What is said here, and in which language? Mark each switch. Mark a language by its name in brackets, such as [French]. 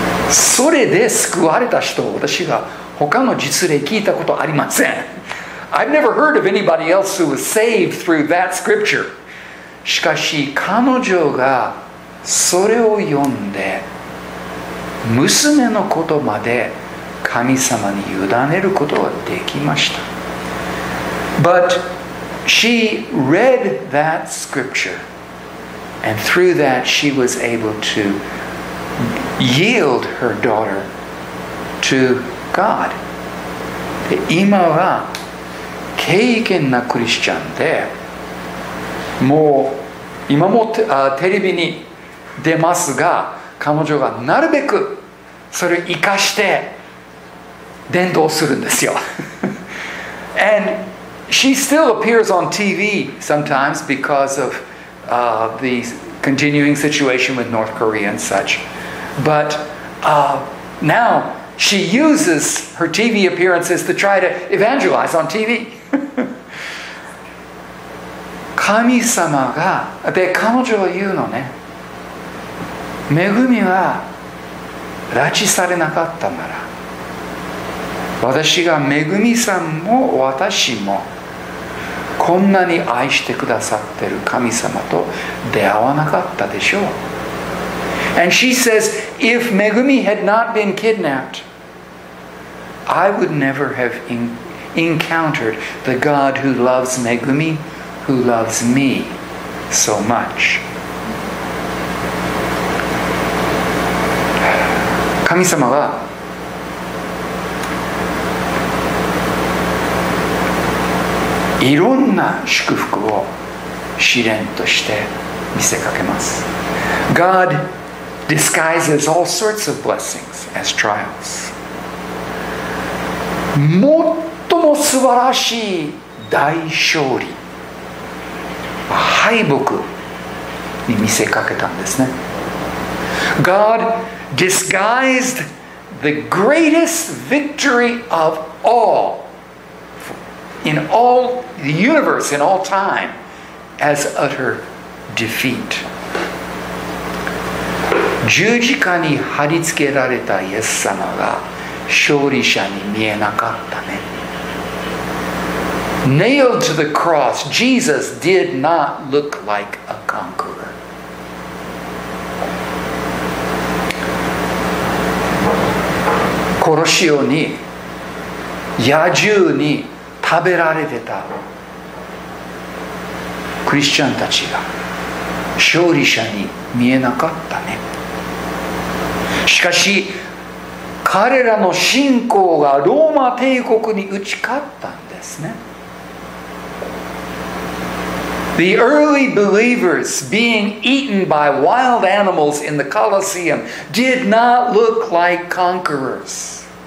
[Japanese] それで救われた人、私が他の実例聞いたことありません。 [English] I've never heard of anybody else who was saved through that scripture. [Japanese] しかし彼女がそれを読んで娘のことまで神様に委ねることができました。 [English] But she read that scripture, and through that she was able to yield her daughter to God. [Japanese] で、今は敬虔なクリスチャンで、もう今もテレビに出ますが、彼女がなるべくそれを生かして伝道するんですよ。 [English] And she still appears on TV sometimes because of the continuing situation with North Korea and such. But now she uses her TV appearances to try to evangelize on TV. [Japanese] 神様が、で、彼女は言うのね、めぐみは拉致されなかったなら、私がめぐみさんも私もこんなに愛してくださってる神様と出会わなかったでしょう。 [English] And she says, if Megumi had not been kidnapped, I would never have encountered the God who loves Megumi, who loves me so much. [Japanese] 神様は いろんな祝福を試練として見せかけます。 [English] GodDisguises all sorts of blessings as trials. [Japanese] 最も素晴らしい大勝利、敗北に見せかけたんですね。 [English] God disguised the greatest victory of all in all the universe in all time as utter defeat。 [Japanese] 十字架に貼り付けられたイエス様が勝利者に見えなかったね。 [English] Nailed to the cross, Jesus did not look like a conqueror。 [Japanese] 殺し屋に野獣に食べられてたクリスチャンたちが勝利者に見えなかったね。しかし彼らの信仰がローマ帝国に打ち勝ったんですね。 [English] The early believers being eaten by wild animals in the Colosseum did not look like conquerors.